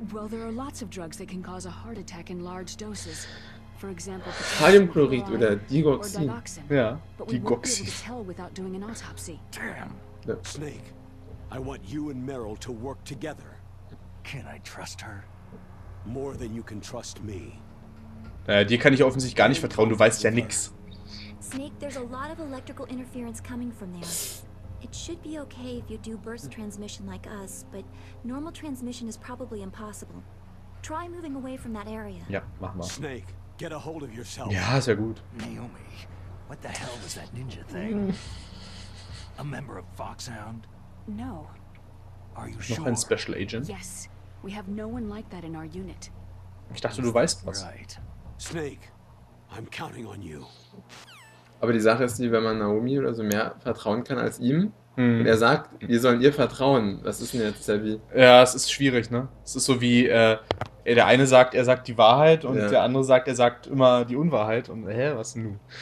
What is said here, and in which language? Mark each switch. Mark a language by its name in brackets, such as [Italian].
[English] Well, there are lots of drugs that can cause a heart attack in large doses. For example, [German] Kaliumchlorid oder Digoxin. Ja, Digoxin. [English] Damn. Snake, I want you and Meryl to work together. Can I trust her? More than you can trust me. [German] Naja, dir kann ich offensichtlich gar nicht vertrauen, du weißt ja nix. [English] Snake, there's a lot of electrical interference coming from there. It should be okay if you do burst transmission like us, but normal transmission is probably impossible. Try moving away from that area. [German] Ja, mach mal. [English] Snake, get a hold of yourself. [German] Ja, ist ja gut. [English] Naomi, what the hell was that ninja thing? A member of Foxhound? No. Are you [German] sure? Noch ein Special Agent? [English] Yes. We have no one like that in our unit. [German] Ich dachte, du weißt was. [English] Right. Snake, I'm counting on you. [German] Aber die Sache ist die, wenn man Naomi oder so mehr vertrauen kann als ihm, und er sagt, wir sollen ihr vertrauen. Was ist denn jetzt, Sebi? Ja, es ist schwierig, ne? Es ist so wie, der eine sagt, er sagt die Wahrheit und der andere sagt, er sagt immer die Unwahrheit. Und hä, was denn nun?